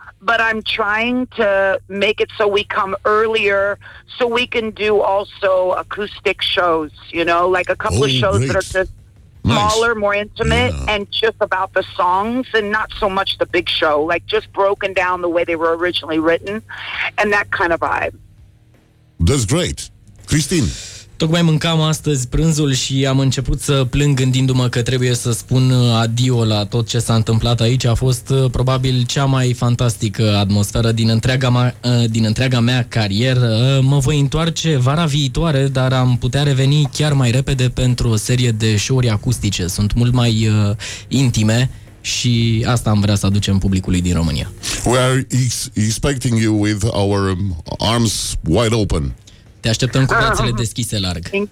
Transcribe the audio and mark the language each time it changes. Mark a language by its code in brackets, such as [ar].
[en] But I'm trying to make it so we come earlier so we can do also acoustic shows, you know, like a couple of shows that are just smaller, more intimate, and just about the songs and not so much the big show, like just broken down the way they were originally written and that kind of vibe. That's great. Christine. [ro] Tocmai mâncam astăzi prânzul și am început să plâng gândindu-mă că trebuie să spun adio la tot ce s-a întâmplat aici. A fost probabil cea mai fantastică atmosferă din întreaga mea carieră. Mă voi întoarce vara viitoare, dar am putea reveni chiar mai repede pentru o serie de show-uri acustice. Sunt mult mai intime și asta am vrea să aducem publicului din România. [en] We are expecting you with our arms wide open. [ro] Te așteptăm cu brațele deschise larg.